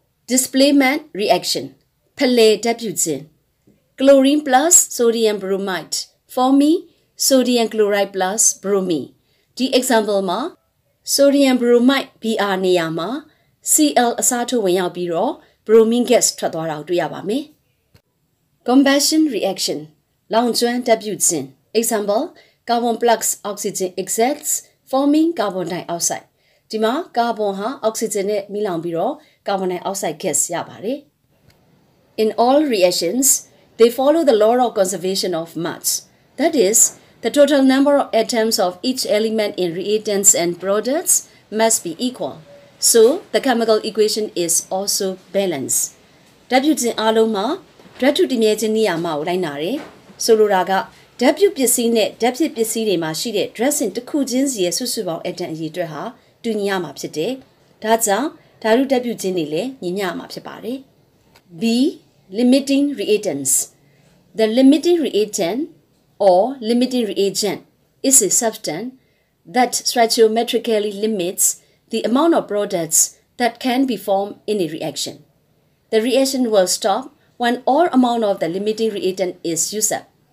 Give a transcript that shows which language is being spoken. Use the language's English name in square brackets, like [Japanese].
[Burmese] displacement reaction ပလေဓာတ်ပြုခြင်း [English] chlorine plus sodium bromide forming sodium chloride plus bromine [Burmese] ဒီ example မှာ sodium bromide Br နေရာမှာ Cl အစားထိုးဝင်ရောက်ပြီးတော့ bromine gas ထွက်သွားတာကိုတွေ့ရပါမယ် [English] combustion reaction လောင်ကျွမ်းဓာတ်ပြုခြင်းExample, carbon plus oxygen exhales, forming carbon dioxide. [Burmese] ဒီမှာ carbon ဟာ oxygen နဲ့မီလောင်ပြီးတော့ carbon dioxide gas ရပါတယ်. [English] In all reactions, they follow the law of conservation of mass. That is, the total number of atoms of each element in reagents and products must be equal. So, the chemical equation is also balanced. [Burmese] ဓာတ်ပြုခြင်းအားလုံးမှာဓာတ်ထုတည်မြဲခြင်းနေရာမှာကိုလိုက်နာတယ်. ဆိုလိုတာကဓာတ်ပြုပစ္စည်းနဲ့ဓာတ်ဖြစ်ပစ္စည်းတွေမှာရှိတဲ့ dressing တစ်ခုချင်းစီရဲ့စုစုပေါင်းအက်တမ်အရေအတွက်ဟာတူညီရမှာဖြစ်တယ်။ဒါကြောင့်ဓာတုဓာတ်ပြုချင်းတွေလည်းညီမျှမှာဖြစ်ပါတယ် [English] ။ B limiting reagents The limiting reagent or limiting reagent is a substance that stoichiometrically limits the amount of products that can be formed in a reaction. The reaction will stop when all amount of the limiting reagent is used up.